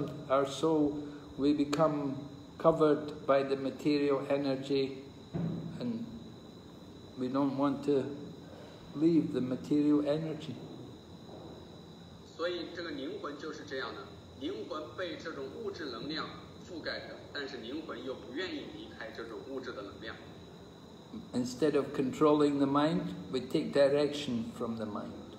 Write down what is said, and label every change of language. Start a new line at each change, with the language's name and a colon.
English: Our soul, we become covered by the material energy, and we don't want to leave the material energy.
Chinese: 所以这个灵魂就是这样的，灵魂被这种物质能量覆盖着，但是灵魂又不愿意离开这种物质的能量。
English: Instead of controlling the mind, we take direction from the mind.